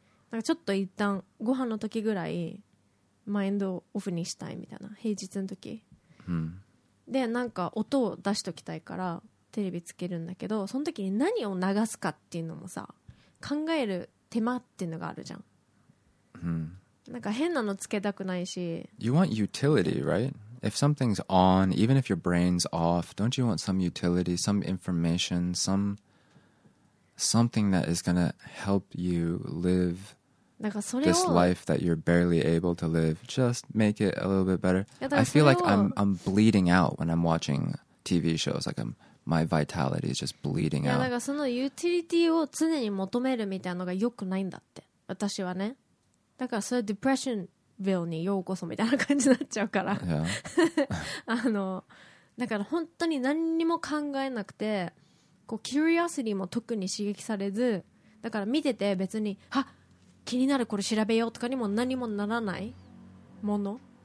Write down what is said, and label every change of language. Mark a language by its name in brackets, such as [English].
[Japanese] なんかちょっと一旦ご飯の時ぐらいマインドオフにしたいみたいな、平日の時、うん、でなんか音を出しときたいからテレビつけるんだけど、その時に何を流すかっていうのもさ、考える手間っていうのがあるじゃん、うん、なんか変なのつけたくないし。 [English] You want utility, right? If something's on, even if your brain's off, don't you want some utility, some information, something that is going to help you live this life that you're barely able to live? Just make it a little bit better. I feel like I'm bleeding out when I'm watching TV shows. Like my vitality is just bleeding out. [Japanese] いやだからそのユーティリティを常に求めるみたいなのが良くないんだって。私はね。だからそれはデプレッション。ビルにようこそみたいな感じになっちゃうから、 yeah. あのだから本当に何にも考えなくて、こうキュリアシティも特に刺激されず、だから見てて別に気になるこれ調べようとかにも何もならないもの、